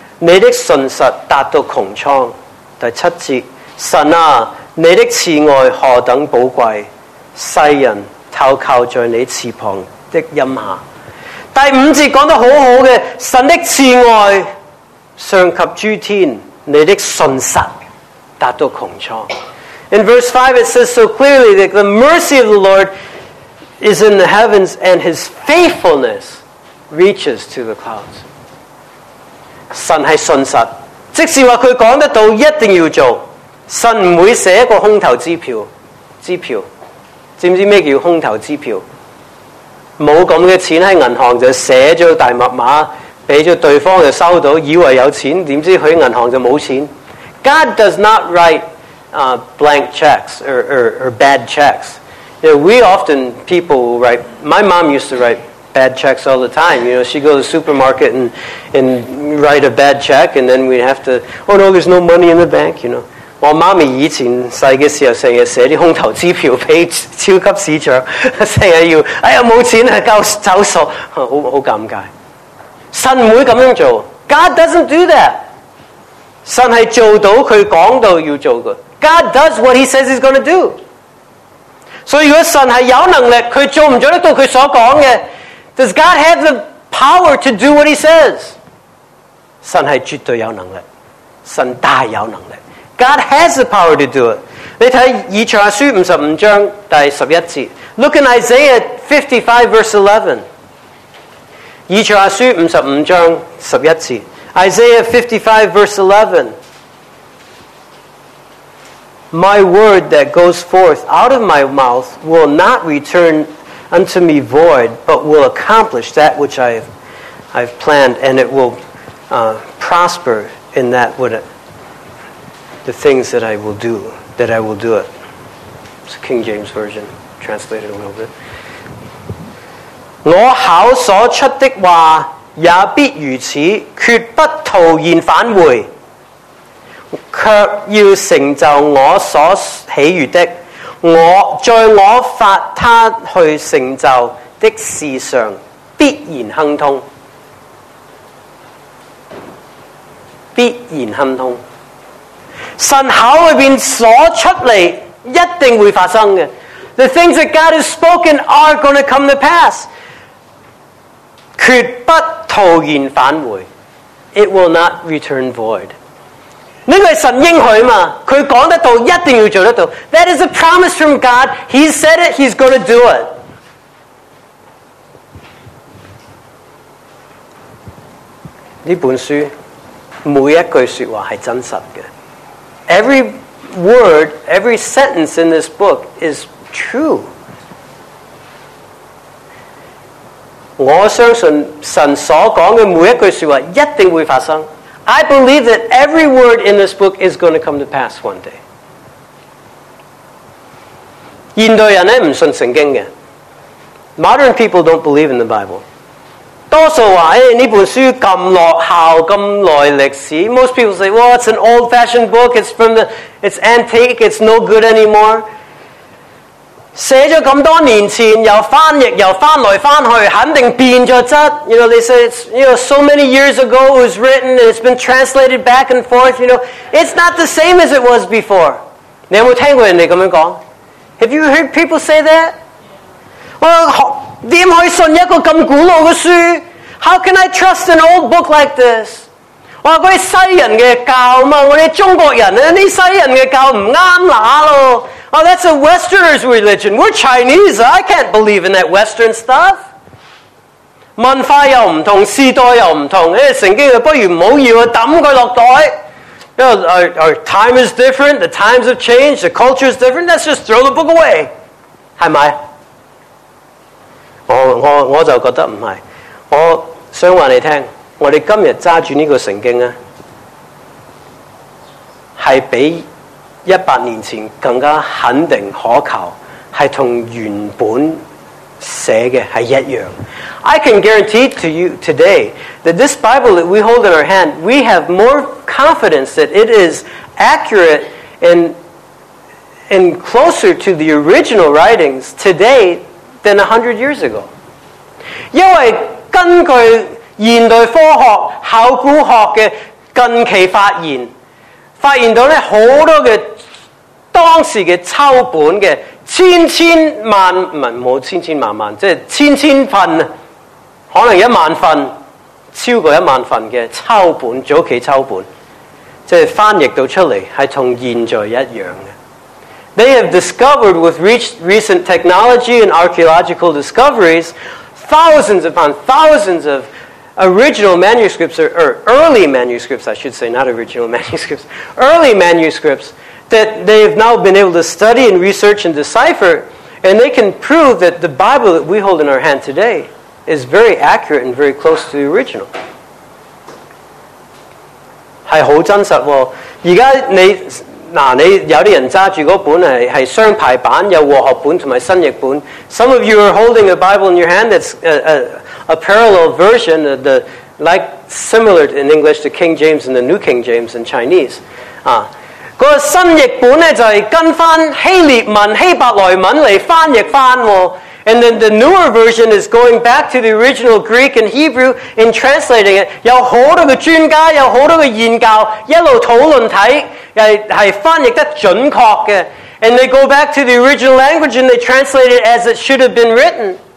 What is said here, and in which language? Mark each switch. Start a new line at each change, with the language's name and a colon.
Chinese: 你的信实达到穹苍，第七节，神啊，你的慈爱何等宝贵，世人投靠在你翅膀的荫下。第五节讲得好好嘅，神的慈爱上及诸天，你的信实达到穹苍。
English: In verse 5 it says so clearly that the mercy of the Lord is in the heavens and His faithfulness reaches to the clouds.
Chinese: 神是信实，即是话佢讲得到，一定要做。神唔会写一个空头支票，知唔知咩叫空头支票？冇咁嘅钱喺银行就写咗大密码，俾咗对方就收到，以为有钱，点知去银行就冇钱。
English: God does not write blank checks or bad checks. You know, we often people write. My mom used to write. Bad checks all the time. You know, she'd go to the supermarket and write a bad check, and then we'd have to, oh no, there's no money in the bank, you know. Well, mommy,
Chinese: 以前小的时候成日写啲空头支票俾超级市场，成日要，哎呀，冇钱啊，交走数，好尴尬。神唔会咁样做。
English: God doesn't do that.
Chinese: 神系做到佢讲到要做嘅。
English: God does what He says He's going to do.
Chinese: 所以如果神系有能力，佢做唔做得到佢所讲嘅？
English: Does God have the power to do what He says?
Chinese: 神是绝对有能力，神大有能力。
English: God has the power to do it.
Chinese: 你看以赛亚书55第11节。
English: Look in Isaiah 55 verse 11.
Chinese: 以赛亚书55节。
English: Isaiah 55 verse 11. My word that goes forth out of my mouth will not return... unto me void, but will accomplish that which I've planned, and it will prosper in that the things that I will do, that I will do it. It's a King James Version, translated a little bit.
Chinese: 我口所出的话也必如此，绝不徒然返回，却要成就我所喜悦的。我在我发他去成就的事上必然亨通，必然亨通。神口里面所出来一定会发生的。
English: The things that God has spoken are going to come to pass.
Chinese: 绝不徒然返回。
English: It will not return void.
Chinese: 这个是神应许嘛，他讲得到一定要做得到。
English: That is a promise from God. He said it, He's going to do it.
Chinese: 这本书每一句说话是真实的。
English: Every word, every sentence in this book is true.
Chinese: 我相信神所讲的每一句说话一定会发生。
English: I believe that every word in this book is going to come to pass one day.
Chinese: 现代人咧唔信圣经嘅。
English: Modern people don't believe in the Bible.
Chinese: 多数话诶呢本书咁落后咁耐历史。
English: Most people say, well, it's an old-fashioned book. It's antique. It's no good anymore.
Chinese: 写了这么多年前又翻译又翻来翻去肯定变了质
English: you know, they say it's, you know, so many years ago it was written and it's been translated back and forth, you know, it's not the same as it was before.
Chinese: 你有没有听过人家这样说?
English: Have you heard people say that?
Chinese: Well, 怎可以信一个这么古老的书?
English: How can I trust an old book like this?
Chinese: 我说那些西人的教嘛，我们中国人，那些西人的教不对了。
English: Oh, that's a Westerner's religion. We're Chinese. I can't believe in that Western stuff.
Chinese: 文化又不同，时代又不同，圣经不如不要丢它落袋。
English: You know, our time is different, the times have changed, the culture is different, let's just throw the book away.
Chinese: 是吗？我就觉得不是。我想告诉你，我们今天拿着这个圣经是比一百年前更加肯定可靠，是跟原本写的是一样。
English: I can guarantee to you today that this Bible that we hold in our hand, we have more confidence that it is accurate and closer to the original writings today than 100 years ago.
Chinese: 因为根据现代科学考古学的近期发现，发现到呢好多的当时的抄本的千千万唔系冇千千万万，即系千千份，可能一万份，超过一万份的抄本，早期抄本，即系翻译到出嚟系同现在一样嘅。
English: They have discovered with recent technology and archaeological discoveries thousands upon thousands of original manuscripts, or early manuscripts, I should say, not original manuscripts, early manuscripts that they have now been able to study and research and decipher, and they can prove that the Bible that we hold in our hand today is very accurate and very close to the original.
Chinese: 是很真实的。现在你有些人拿着那本 是双排版，有和合本和新译本。
English: Some of you are holding a Bible in your hand that's a parallel version, like similar in English to King James and the New King James in Chinese.
Chinese: 那个新译本呢就是跟翻希列文希伯来文来翻译翻哦。
English: And then the newer version is going back to the original Greek and Hebrew in translating it.
Chinese: 有好多个专家，有好多个研究，一路讨论睇，系翻译得准确嘅。
English: And they go back to the original language and they translate it as it should have been written.